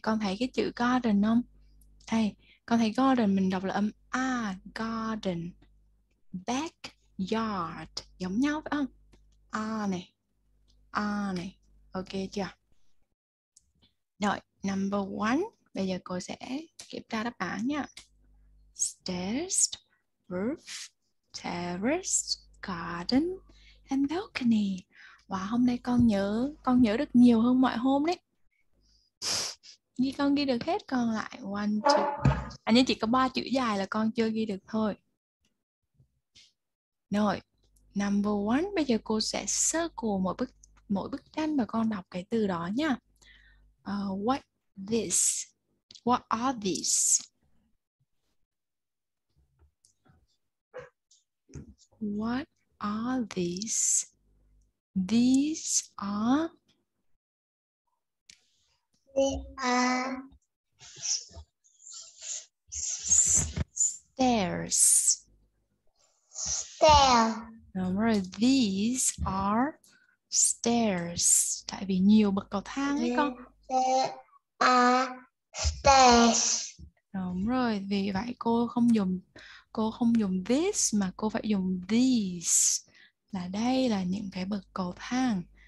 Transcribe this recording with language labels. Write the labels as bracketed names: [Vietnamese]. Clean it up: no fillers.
[Vietnamese] Con thấy cái chữ garden không? Đây, con thấy garden mình đọc là âm A, garden. Backyard. Giống nhau phải không? A này. A này, ok chưa? Rồi, [English] number one. [Vietnamese] Bây giờ cô sẽ kiểm tra đáp án nha. [English] Stairs, roof, terrace, garden, and balcony. [Vietnamese] Wow, hôm nay con nhớ được nhiều hơn mọi hôm đấy. Ghi con ghi được hết còn lại. [English] One, two. [Vietnamese] Anh chỉ có 3 chữ dài là con chưa ghi được thôi. Rồi, number one. Bây giờ cô sẽ circle mỗi bức tranh mà con đọc cái từ đó nha. [English] What this? What are these? What are these? These are. They are stairs. Stairs. Remember, these are stairs. [Vietnamese] Tại vì nhiều bậc cầu thang ấy con. [English] There are stairs. [Vietnamese] Đúng rồi. Vì vậy cô không dùng this mà cô phải dùng these. Là đây là những cái bậc cầu thang.